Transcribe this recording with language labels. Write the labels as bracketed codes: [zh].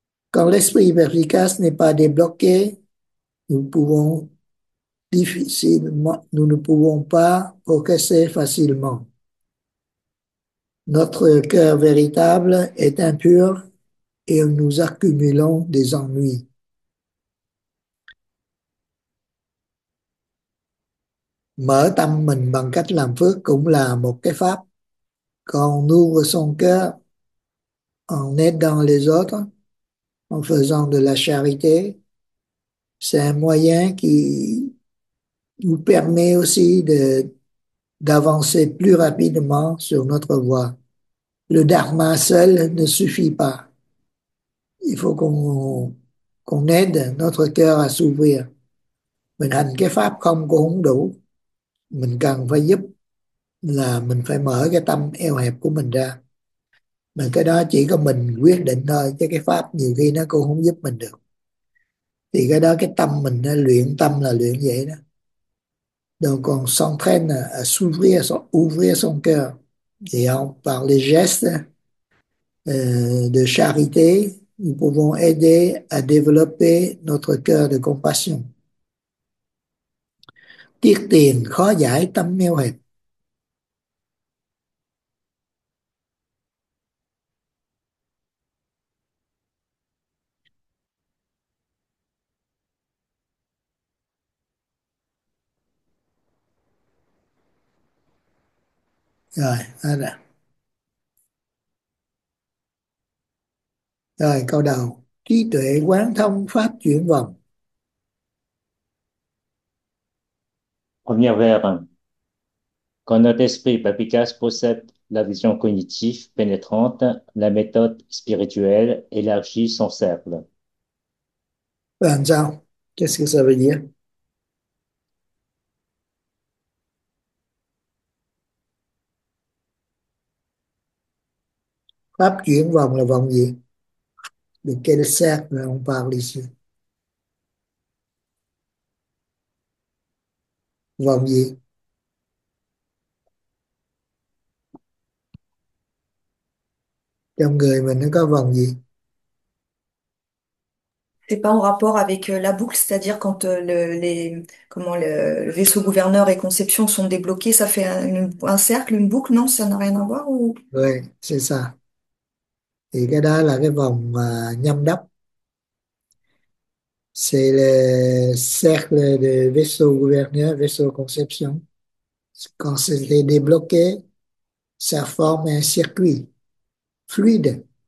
[fr] Quand l'esprit perspicace n'est pas débloqué, nous ne pouvons pas progresser facilement. Notre cœur véritable est impur et nous accumulons des ennuis. [vi] Mở tâm mình bằng cách làm phước cũng là một cái pháp. [fr] Quand on ouvre son cœur en aidant les autres, en faisant de la charité, c'est un moyen qui nous permet aussi d'avancer plus rapidement sur notre voie. Le dharma seul ne suffit pas. Il faut qu'on aide notre cœur à s'ouvrir. [vi] Mình hành cái pháp không cũng đủ. Mình cần phải giúp là mình phải mở cái tâm eo hẹp của mình ra. Mà cái đó chỉ có mình quyết định thôi, chứ cái pháp nhiều khi nó cũng không giúp mình được. Thì cái đó cái tâm mình nó luyện tâm là luyện vậy đó. [fr] Donc on s'entraîne à ouvrir son cœur. Et par les gestes de charité, nous pouvons aider à développer notre cœur de compassion. [vi] Tiếc tiền khó giải tâm eo hẹp. Rồi, à. Rồi, câu đầu. Trí tuệ quán thông pháp chuyển vọng. [fr] Première vers, quand notre esprit perspicace possède la vision cognitive pénétrante, la méthode spirituelle élargit son cercle. [vi] Bạn sao? [fr] Qu'est-ce que ça veut dire? [vi] Pháp chuyển vòng là vòng gì? Được cái xác là ông vào đi xưa. Vòng gì? Trong người mình nó có vòng gì? [fr] C'est pas en rapport avec la boucle, c'est-à-dire quand le vaisseau gouverneur et conception sont débloqués, ça fait un cercle, une boucle, non? Ça n'a rien à voir ou? Oui, c'est ça. [vi] Thì cái đó là cái vòng nhâm đốc. [fr] C'est le cercle de vaisseau gouverneur, vaisseau conception. Quand c'est débloqué, ça forme un circuit fluide.